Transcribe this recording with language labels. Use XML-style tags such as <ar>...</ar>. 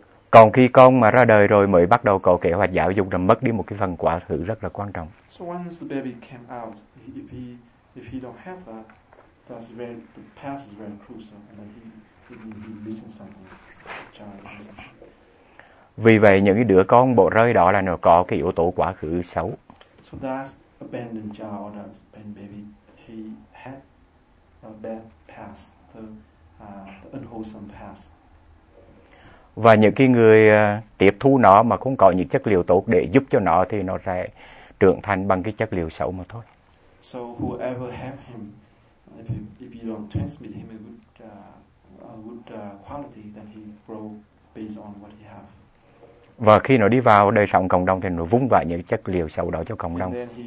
<vi>Còn khi con mà ra đời rồi mới bắt đầu có kế hoạch giáo dục là mất đi một cái phần quá khứ rất là quan trọng.</vi> <en>So once the baby came out, if he don't have that, that's very, the past is very crucial, and then he missing something.</en> <vi>Vì vậy những cái đứa con bộ rơi đó là nó có cái yếu tố quá khứ xấu.</vi> <en>So that abandoned child or that abandoned baby, he had a bad past, the unwholesome past.</en> <vi>Và những cái người tiếp thu nó mà không có những chất liệu tốt để giúp cho nó thì nó sẽ trưởng thành bằng cái chất liệu xấu mà thôi.</vi> <en>So whoever have him, if you don't transmit him a good quality, then he grow based on what he have.</en> <vi>Và khi nó đi vào đời sống cộng đồng thì nó vung vãi những chất liệu xấu đó cho cộng đồng.</vi>